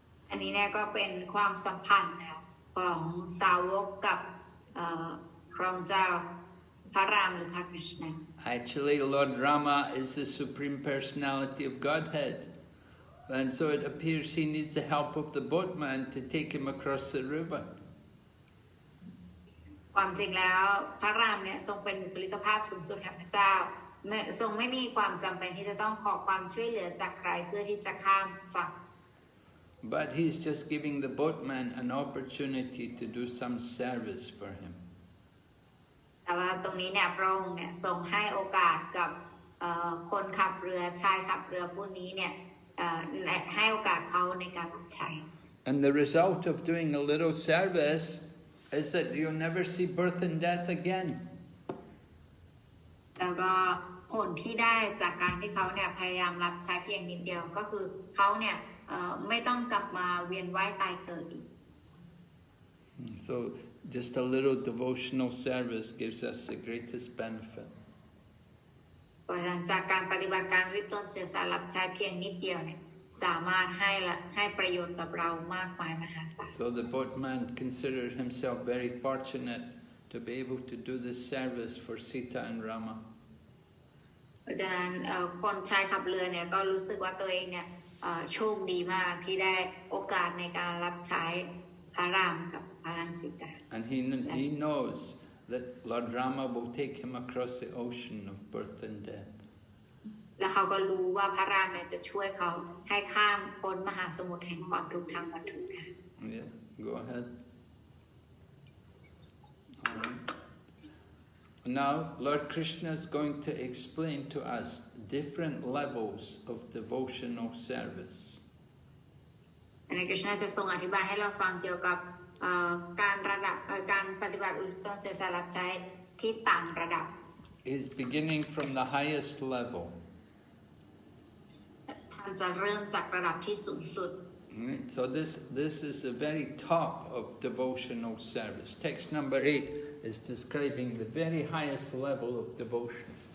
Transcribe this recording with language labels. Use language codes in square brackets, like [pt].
[th] อันนี้เนี่ยก็เป็นความสัมพันธ์นะของสาวกกับพระองค์เจ้าพระรามหรือพระคริชนา [en] Actually Lord Rama is the supreme personality of Godhead and so it appears he needs the help of the boatman to take him across the river [th] ความจริงแล้วพระรามเนี่ยทรงเป็นบุคลิกภาพสูงสุดของพระเจ้าทรงไม่มีความจำเป็นที่จะต้องขอความช่วยเหลือจากใครเพื่อที่จะข้ามฝั่ง [en] But he's just giving the boatman an opportunity to do some service for him. [th] แต่ว่าตรงนี้เนี่ยพระองค์เนี่ยทรงให้โอกาสกับคนขับเรือชายขับเรือผู้นี้เนี่ยให้โอกาสเขาในการรับใช้ [en] And the result of doing a little service is that you'll never see birth and death again. [th] แล้วก็ผลที่ได้จากการที่เขาเนี่ยพยายามรับใช้เพียงนิดเดียวก็คือเขาเนี่ยไม่ต้องกลับมาเวียนว่ายตายเกิดอีก [en] So just a little devotional service gives us the greatest benefit [th] พราะฉะนั้นจากการปฏิบัติการริบต้นเสียสารับใช้เพียงนิดเดียวเนี่ยสามารถให้ประโยชน์กับเรามากมายมหาศาล [en] So the boatman considered himself very fortunate to be able to do this service for Sita and Rama. [th] เพราะฉะนั้นคนชายขับเรือเนี่ยก็รู้สึกว่าตัวเองเนี่ยโชคดีมากที่ได้โอกาสในการรับใช้พระรามกับพระนางสีตา [en] And he knows that Lord Rama will take him across the ocean of birth and death. [th] และเขาก็รู้ว่าพระรามเนี่ยจะช่วยเขาให้ข้ามพ้นมหาสมุทรแห่งความทุกข์ทางวัตถุค่ะ [en] Yeah, go ahead. Right. Now, Lord Krishna is going to explain to us different levels of devotional service. And [th] Krishna จะทรงอธิบายให้เราฟังเกี่ยวกับการระดับการปฏิบัติอุทิศตนเสียสละใช้ที่ต่างระดับ [en] He's beginning from the highest level. [th] ท่านจะเริ่มจากระดับที่สูงสุด [en] So this is the very top of devotional service. Text number 8 is describing the very highest level of devotion.